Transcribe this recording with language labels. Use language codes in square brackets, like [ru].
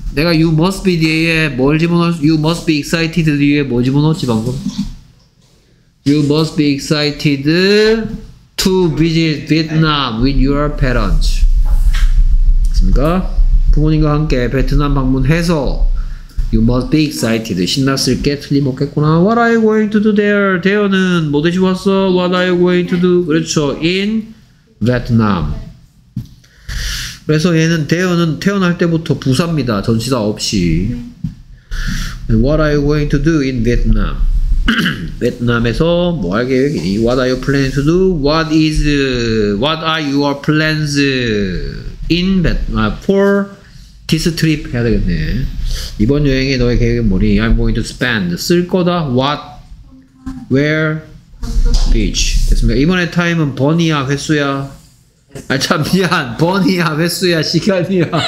[ko] 내가 [en] you must be [ko] 뒤에 뭘 집어넣었 [en] you must be excited [ko] 뒤에 뭐 집어넣었지 방금 [en] you must be excited to visit Vietnam with your parents [ko] 됐습니까? 부모님과 함께 베트남 방문해서 [en] You must be excited. [ko] 신났을 게 틀림없겠구나. [en] What are you going to do there? [ko] 대어는 뭐 대신 왔어? [en] What are you going to do? [ko] 그렇죠. [en] In Vietnam. [ko] 그래서 얘는 대어는 태어날 때부터 부사입니다. 전치사 없이. [en] What are you going to do in Vietnam? [ko] 베트남에서 뭐 할 계획이니? [en] What are you planning to do? What is? What are your plans in Vietnam for this trip? [ko] 해야 되겠네. 이번 여행에 너의 계획은 뭐니? [en] I'm going to spend. [ko] 쓸 거다. [en] What? Where? Beach. [ko] 됐습니다. 이번에 타임은 번이야, 횟수야? 아 참 미안. 번이야, 횟수야, 시간이야?